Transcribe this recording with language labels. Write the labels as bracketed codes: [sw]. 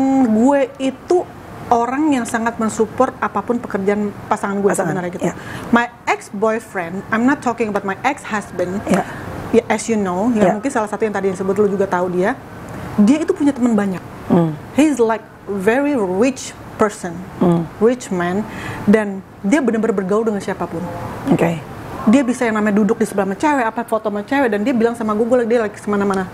[id] Gue itu orang yang sangat mensupport apapun pekerjaan pasangan gue sebenarnya gitu. [en] Yeah. My ex-boyfriend, I'm not talking about my ex-husband, yeah. As you know, yeah. [id] Ya, mungkin salah satu yang tadi yang sebut lu juga tahu dia. Dia itu punya teman banyak. Mm. [en] He's like very rich person, rich man, [id] dan dia benar-benar bergaul dengan siapapun. Oke. Okay. Dia bisa yang namanya duduk di sebelah sama cewek, apa foto sama cewek, dan dia bilang sama gue dia lagi kemana-mana.